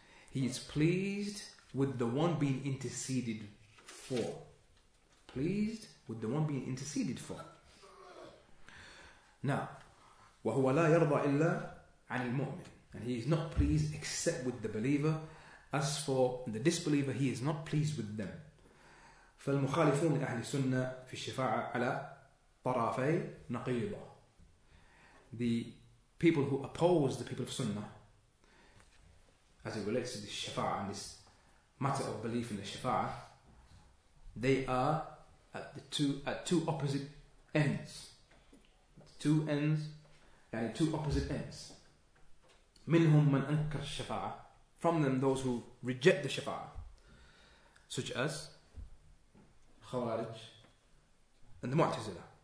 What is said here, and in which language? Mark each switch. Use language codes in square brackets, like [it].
[en] He is pleased with the one being interceded for. Pleased with the one being interceded for. [ar] Now, وَهُوَ لَا يَرْضَى إِلَّا عَنِ الْمُؤْمِنِ. [en] And He is not pleased except with the believer. As for the disbeliever, He is not pleased with them. [ar] فالمخالفون لأهل السنة في الشفاعة على طرافي نقيضة. [en] The people who oppose the people of Sunnah, as it relates to the Shafa'ah and this matter of belief in the Shafa'ah, they are at two opposite ends. Two ends, يعني two opposite ends. [ar] منهم من أنكر الشفاعة, [en] from them those who reject the Shafa'ah, such as Khawarij and the Mu'tazila.